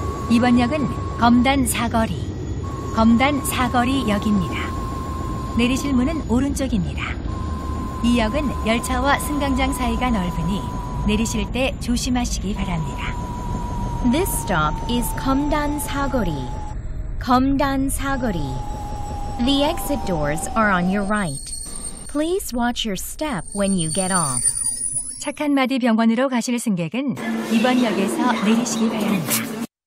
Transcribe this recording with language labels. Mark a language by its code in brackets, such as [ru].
[ko] 이번 역은 검단 사거리, 검단 사거리 역입니다. 내리실 문은 오른쪽입니다. 이 역은 열차와 승강장 사이가 넓으니 내리실 때 조심하시기 바랍니다. [en] This stop is 검단 사거리. [ko] 검단 사거리. [en] The exit doors are on your right. Please watch your step when you get off. [ko] 착한 마디 병원으로 가실 승객은 이번 역에서 내리시기 바랍니다.